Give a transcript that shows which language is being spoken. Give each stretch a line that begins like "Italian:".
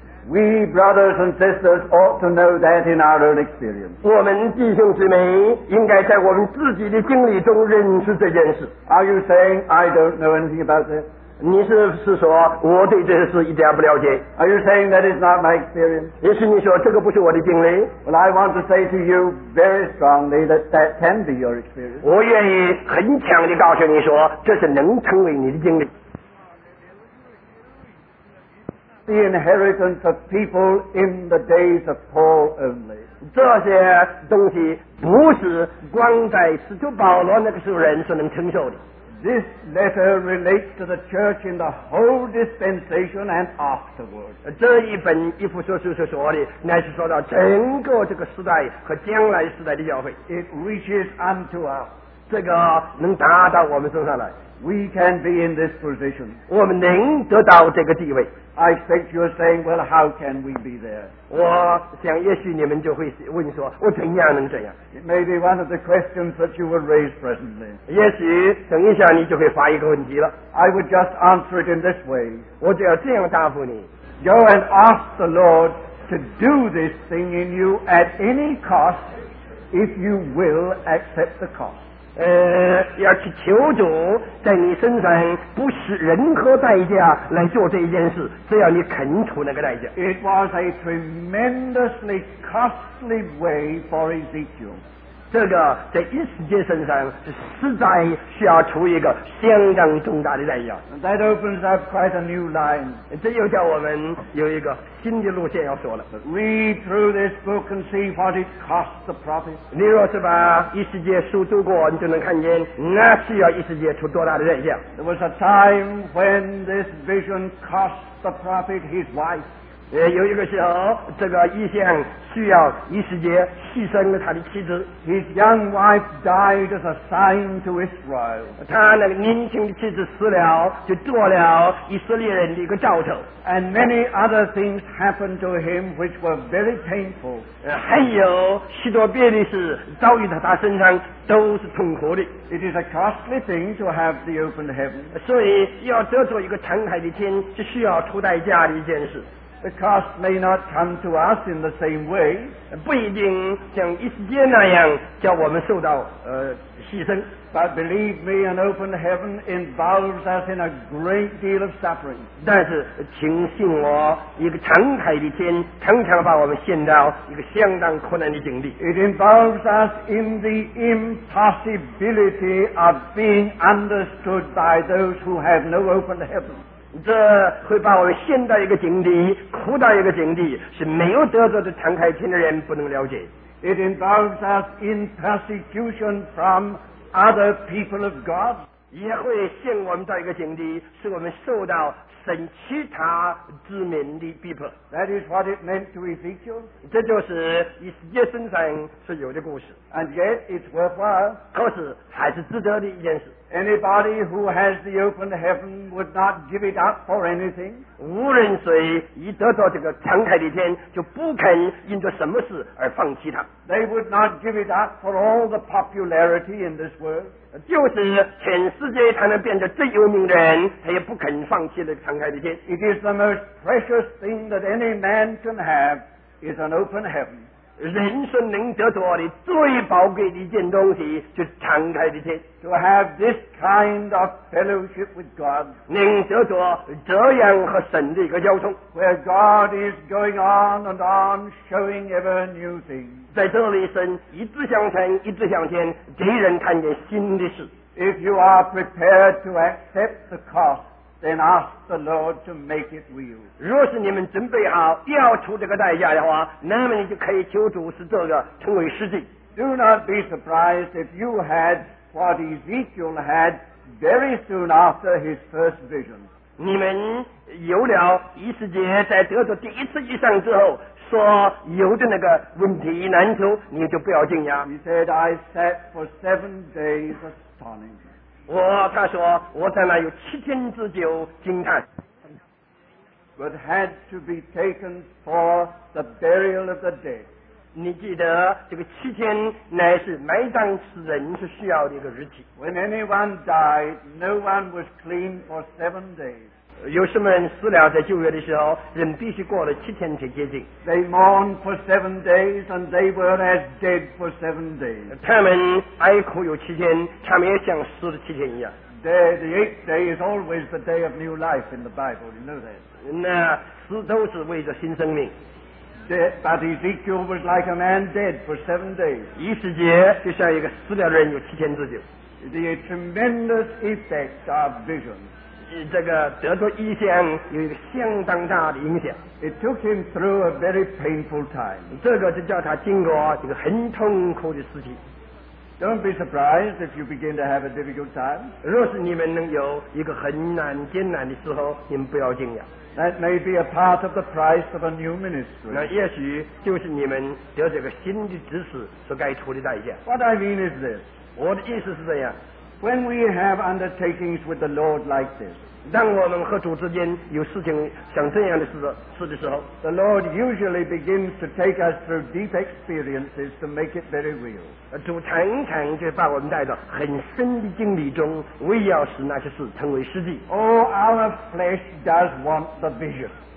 English: We brothers and sisters ought to know that in our own experience.
Chinese: 我们弟兄姊妹应该在我们自己的经历中认识这件事。
English: Are you saying I don't know anything about this?
Chinese: 你是不是说我对这事一点不了解？
English: Are you saying that is not my experience?
Chinese: 也许你说这个不是我的经历。
English: Well, I want to say to you very strongly that that can be your experience.
Chinese: 我愿意很强地告诉你说这是能成为你的经历。
English: The inheritance of people in the days of Paul only.
Chinese: 这些东西不是光在使徒保罗那个时候人所能承受的。
English: This letter relates to the church in the whole dispensation and afterward.
Chinese: 这一本以弗所书所说的，乃是说到整个这个时代和将来时代的教会。
English: It reaches unto us.
Chinese: 这个能达到我们身上来。
English: We can be in this position.
Chinese: 我们能得到这个地位。
English: I expect you're saying, well, how can we be there?
Chinese: 我想也许你们就会问说，我怎样能这样？
English: It may be one of the questions that you will raise presently.
Chinese: 也许等一下你就会发一个问题了。
English: I would just answer it in this way.
Chinese: 我就要这样答复你。
English: Go and ask the Lord to do this thing in you at any cost if you will accept the cost.
Chinese: 要去求主在你身上不惜任何代价来做这一件事，只要你肯出那个代价。
English: It was a tremendously costly way for Ezekiel.
Chinese: 这个在以斯帖身上实在需要出一个相当重大的代价。
English: That opens up quite a new line.
Chinese: 这又叫我们有一个新的路线要说了。
English: Read through this book and see what it costs the prophet.
Chinese: 你若是把以斯帖书读过，你就能看见那需要以斯帖出多大的代价。
English: There was a time when this vision cost the prophet his wife.
Chinese: 有一个时候，这个意象需要以斯帖牺牲了他的妻子。
English: His young wife died as a sign to Israel.
Chinese: 他那个年轻的妻子死了，就做了以色列人的一个兆头。
English: And many other things happened to him which were very painful.
Chinese: 还有许多别的事遭遇到他身上都是痛苦的。
English: It is a costly thing to have the open heaven.
Chinese: 所以要得着一个敞开的天是需要出代价的一件事。
English: The cost may not come to us in the same way.
Chinese: 不一定像以斯帖那样叫我们受到牺牲。
English: But believe me, an open heaven involves us in a great deal of suffering.
Chinese: 但是请信我，一个敞开的天常常把我们陷到一个相当困难的境地。
English: It involves us in the impossibility of being understood by those who have no open heaven.
Chinese: 这会把我们陷到一个境地，苦到一个境地，是没有得着的敞开天的人不能了解。
English: It involves us in persecution from other people of God.
Chinese: 也会陷我们到一个境地，是我们受到神其他子民的逼迫。
English: That is what it meant to Ezekiel.
Chinese: 这就是以斯帖身上所有的故事。
English: And yet it's worthwhile.
Chinese: 可是还是值得的一件事。
English: Anybody who has the open heaven would not give it up for anything.
Chinese: 无论谁一得到这个敞开的天，就不肯因着什么事而放弃它。
English: They would not give it up for all the popularity in this world.
Chinese: 就是全世界他能变得最有名的人，他也不肯放弃这个敞开的天。
English: It is the most precious thing that any man can have is an open heaven.
Chinese: 人生能得到的最宝贵的一件东西就是敞开的天。
English: To have this kind of fellowship with God,
Chinese: 能得到这样和神的一个交通。
English: Where God is going on and on showing ever new things,
Chinese: 在这里神一直向前一直向前，给人看见新的事。
English: If you are prepared to accept the cost,Then ask the Lord to make it real.
Chinese: 若是你们准备好要出这个代价的话，那么你就可以求主使这个成为实际。
English: Do not be surprised if you had what Ezekiel had very soon after his first vision.
Chinese: 你们有了以斯帖在得到第一次异象之后说有的那个问题难处，你就不要惊讶。
English: He said, "I sat for 7 days astonished."
Chinese: 我他说我在那有七天之久惊叹。
English: But had to be taken for the burial of the dead.
Chinese: 你记得这个七天乃是埋葬死人是需要的一个日期。
English: When anyone died, no one was clean for 7 days.
Chinese: 有什么人死了在旧约的时候人必须过了七天才洁净。
English: They mourned for 7 days and they were as dead for 7 days.
Chinese: 他们哀哭有七天他们也像死了七天一样。
English: The eighth day is always the day of new life in the Bible, you know that.
Chinese: 那死都是为着新生命。
English: But Ezekiel was like a man dead for 7 days.
Chinese: 以斯帖就像一个死了人有七天之久。
English: The tremendous effect of vision.
Chinese: 这个得着异象有一个相当大的影响。
English: It took him through a very painful time.
Chinese: 这个就叫他经过这个很痛苦的事情。
English: Don't be surprised if you begin to have a difficult time.
Chinese: 若是你们能有一个很难艰难的时候，你们不要惊讶。
English: That may be a part of the price of a new ministry.
Chinese: 那也许就是你们得这个新的职事所该出的代价。
English: What I mean is this.
Chinese: 我的意思是这样。
English: When we have undertakings with the Lord like this,
Chinese: 当我们和主之间有事情像这样的事的时候
English: ，the Lord usually begins to take us through deep experiences to make it very real.
Chinese: 主常常就把我们带到很深的经历中，为要使那些事成为实际。
English: Oh, our flesh does want the vision.